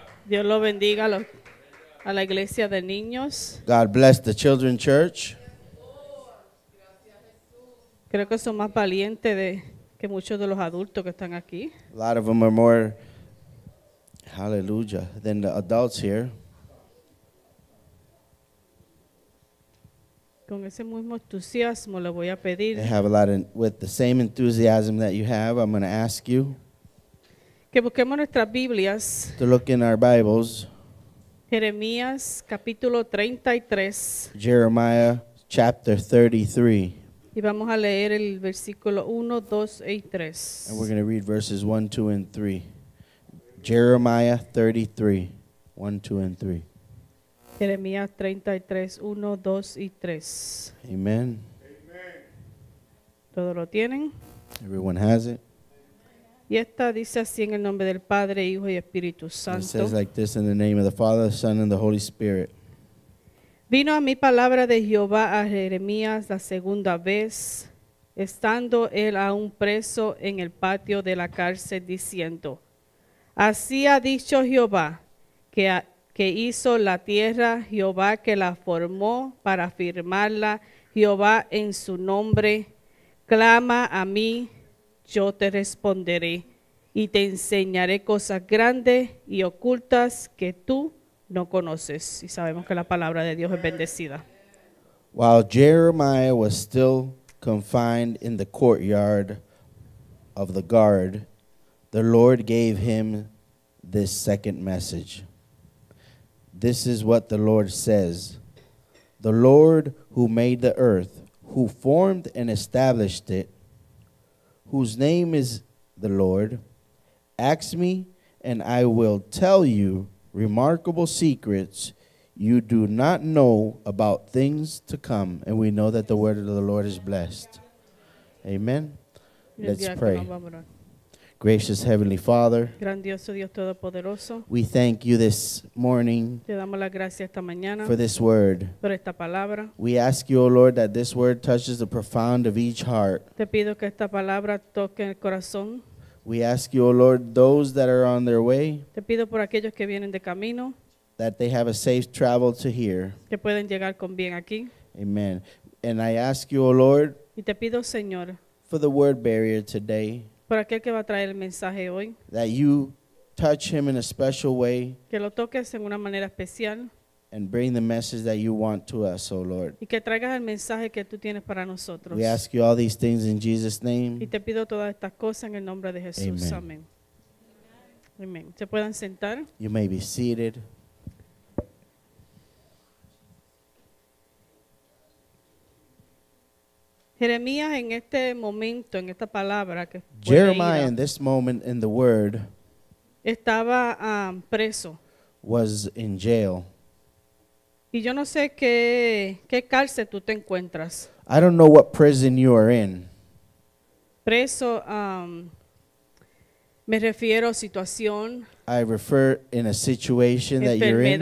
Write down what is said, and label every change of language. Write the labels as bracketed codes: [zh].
[es] Dios lo bendiga a la iglesia de niños. [en] God bless the children's church. [es] Creo que son más valientes de que muchos de los adultos que están aquí. [en] A lot of them are more, hallelujah, than the adults here. [es] Con ese mismo entusiasmo le voy a pedir. [en] They have a lot of, with the same enthusiasm that you have, I'm going to ask you. [es] Que busquemos nuestras Biblias. [en] To look in our Bibles. [es] Jeremías capítulo 33. [en] Jeremiah chapter 33. [es] Y vamos a leer el versículo 1, 2 y 3. [en] And we're going to read verses 1, 2 and 3. Jeremiah 33, 1, 2 and 3. [es] Jeremías 33, 1, 2 y 3. Amen. ¿Todo lo tienen? [en] Everyone has it. [es] Y esta dice así en el nombre del Padre, Hijo y Espíritu Santo. [en] It says like this in the name of the Father, the Son, and the Holy Spirit. [es] Vino a mi palabra de Jehová a Jeremías la segunda vez, estando él aún preso en el patio de la cárcel, diciendo, así ha dicho Jehová, que hizo la tierra, Jehová que la formó para firmarla, Jehová en su nombre, clama a mí, yo te responderé y te enseñaré cosas grandes y ocultas que tú no conoces. Y sabemos que la palabra de Dios es bendecida. [en] While Jeremiah was still confined in the courtyard of the guard, the Lord gave him this second message. This is what the Lord says. The Lord who made the earth, who formed and established it, whose name is the Lord, ask me and I will tell you remarkable secrets you do not know about things to come. And we know that the word of the Lord is blessed. [es] Amen. [en] Let's pray. Gracious Heavenly Father, [es] grandioso Dios todopoderoso, [en] we thank you this morning, [es] te damos la gracia esta mañana, [en] for this word, [es] por esta palabra. [en] We ask you, O Lord, that this word touches the profound of each heart. [es] Te pido que esta palabra toque el corazón. [en] We ask you, O Lord, those that are on their way, [es] te pido por aquellos que vienen de camino, [en] that they have a safe travel to here, [es] que pueden llegar con bien aquí. [en] Amen. And I ask you, O Lord, [es] y te pido, Señor, [en] for the word barrier today, [es] por aquel que va a traer el mensaje hoy, [en] that you touch him in a special way, [es] que lo toques en una manera especial, [en] and bring the message that you want to us, O Lord. [es] Y que traigas el mensaje que tú tienes para nosotros. [en] We ask you all these things in Jesus' name. [es] Y te pido todas estas cosas en el nombre de Jesús. Amen. Amen. Amen. Se puedan sentar. [en] You may be seated. [es] Jeremías en este momento, en esta palabra que [en] Jeremiah [es] leída, [en] in this moment in the word [es] estaba preso, [en] was in jail. [es] Y yo no sé qué cárcel tú te encuentras. [en] I don't know what prison you are in. [es] Preso, me refiero a situación. [en] I refer in a situation that you're in.